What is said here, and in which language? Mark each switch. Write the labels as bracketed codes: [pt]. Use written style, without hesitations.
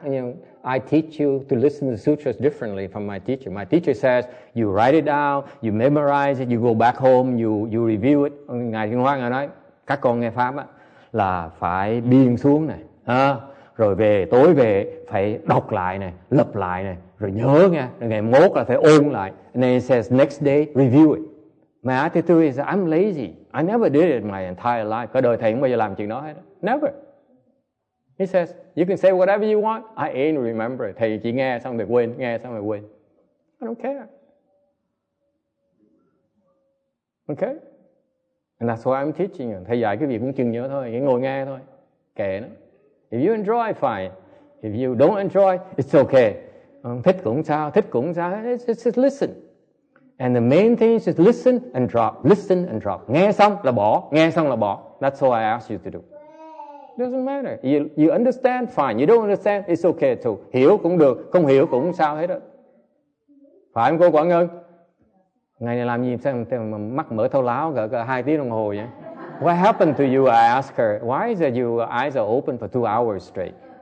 [en] You know, I teach you to listen to the sutras differently from my teacher. My teacher says, you write it down, you memorize it, you go back home, you review it. [vi] Ngài Kinh Hoa Ngài nói, các con nghe Pháp á, là phải biên xuống này. À, rồi về, tối về, phải đọc lại này, lập lại này. Rồi nhớ nghe, rồi ngày mốt là phải ôn lại. [en] And then he says, next day, review it. My attitude is, I'm lazy. I never did it my entire life. [vi] Cả đời thầy không bao giờ làm chuyện đó hết. [en] Never. He says, you can say whatever you want. I ain't remember. [vi] Thầy chỉ nghe xong rồi quên, nghe xong rồi quên. [en] I don't care. Okay? And that's why I'm teaching you. [vi] Thầy dạy cái việc cũng chừng nhớ thôi, cái ngồi nghe thôi. Kệ nó. [en] If you enjoy, fine. If you don't enjoy, it's okay. [vi] Thích cũng sao, thích cũng sao. [en] Just listen. And the main thing is just listen and drop. Listen and drop. [vi] Nghe xong là bỏ, nghe xong là bỏ. [en] That's all I ask you to do. Doesn't matter. You understand, fine. You don't understand, it's okay too. [vi] Hiểu cũng được, không hiểu cũng sao hết đó. Phải không cô Quảng Ngân? Ngày này làm gì sao mà mắt mở thâu láo cả 2 tiếng đồng hồ vậy? [en] What happened to you, I ask her. Why is that your eyes are open for 2 hours straight?